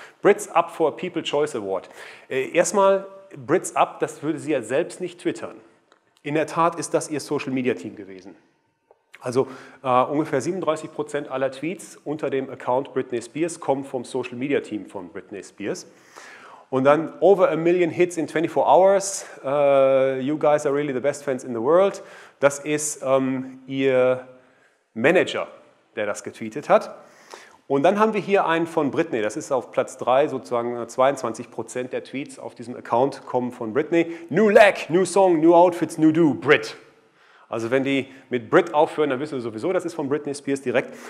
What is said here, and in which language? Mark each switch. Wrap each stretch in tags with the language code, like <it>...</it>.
<en>Brits Up for People Choice Award.</en> <de>Erstmal Brits Up, das würde sie ja selbst nicht twittern. In der Tat ist das ihr Social Media Team gewesen. Also ungefähr 37% aller Tweets unter dem Account Britney Spears kommen vom Social Media Team von Britney Spears. Und dann</de> <en>over 1 million hits in 24 hours, you guys are really the best fans in the world.</en> <de>Das ist ihr Manager, der das getweetet hat. Und dann haben wir hier einen von Britney, das ist auf Platz 3, sozusagen 22% der Tweets auf diesem Account kommen von Britney.</de> <en>New leg, new song, new outfits, new do, Brit.</en> <de>Also wenn die mit Brit aufhören, dann wissen wir sowieso, das ist von Britney Spears direkt.</de>